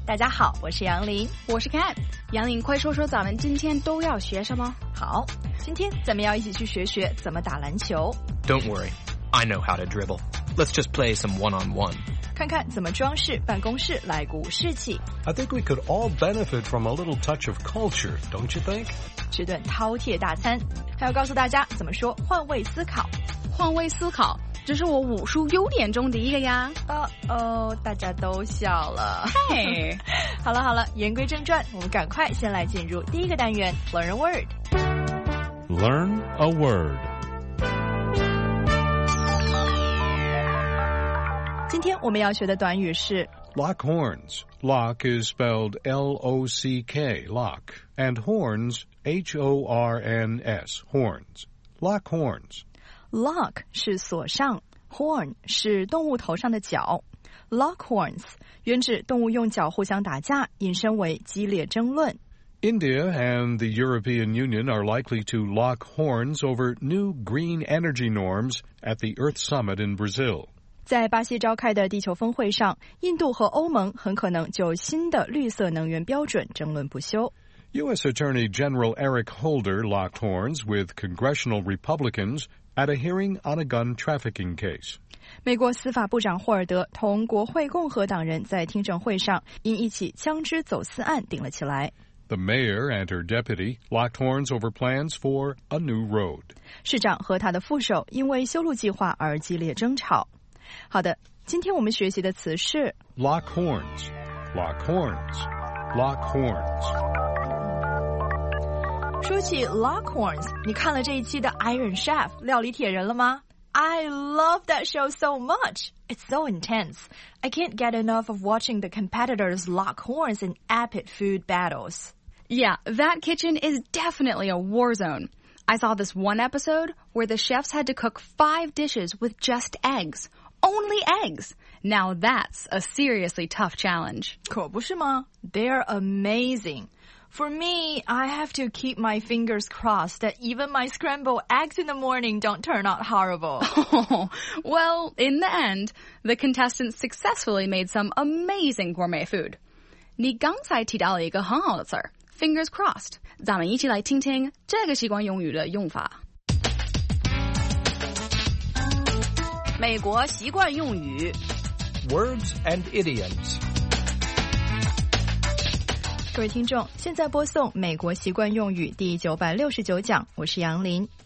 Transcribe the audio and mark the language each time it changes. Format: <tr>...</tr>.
<zh>大家好，我是杨林，我是 Cat。杨林，快说说咱们今天都要学什么。好，今天咱们要一起去学学怎么打篮球。</zh> <en>Don't worry, I know how to dribble. Let's just play some one-on-one.</en> <zh>看看怎么装饰办公室，来鼓士气。</zh> <en>I think we could all benefit from a little touch of culture, don't you think?</en> <zh>吃顿饕餮大餐，还要告诉大家怎么说换位思考。换位思考，这是我武术优点中的一个呀。大家都笑了。嘿，好了好了，言归正传，我们赶快先来进入第一个单元</zh> <en>Learn a Word。 Learn a Word。</en> <zh>今天我们要学的短语是</zh> <en>Lock horns. Lock is spelled L-O-C-K, lock. And horns, H-O-R-N-S, horns. Lock horns.</en> <zh>Lock 是锁上， horn 是动物头上的角。 Lock horns 原指动物用角互相打架，引申为激烈争论。</zh> <en>India and the European Union are likely to lock horns over new green energy norms at the Earth Summit in Brazil.</en> <zh>在巴西召开的地球峰会上，印度和欧盟很可能就新的绿色能源标准争论不休。</zh> <en>U.S. Attorney General Eric Holder locked horns with congressional Republicans at a hearing on a gun trafficking case.</en> <zh>美国司法部长霍尔德同国会共和党人在听证会上因一起枪支走私案顶了起来。</zh> <en>The mayor and her deputy locked horns over plans for a new road.</en> <zh>市长和他的副手因为修路计划而激烈争吵。好的，今天我们学习的词是</zh> <en>lock horns, lock horns, lock horns.</en> <zh>说起 Lock Horns, 你看了这一期的 Iron Chef, 料理铁人了吗？</zh> <en>I love that show so much. It's so intense. I can't get enough of watching the competitors lock horns in epic food battles. Yeah, that kitchen is definitely a war zone. I saw this one episode where the chefs had to cook 5 dishes with just eggs. Only eggs. Now that's a seriously tough challenge.</en> <zh>可不是吗？</zh> <en>They're amazing. For me, I have to keep my fingers crossed that even my scrambled eggs in the morning don't turn out horrible. Oh, well, in the end, the contestants successfully made some amazing gourmet food.</en> <zh>你刚才提到了一个很好的词儿 fingers crossed. 咱们一起来听听这个习惯用语的用法。美国习惯用语</zh> <en>Words and idioms.</en> <zh>各位听众，现在播送美国习惯用语第969讲，我是杨林。</zh>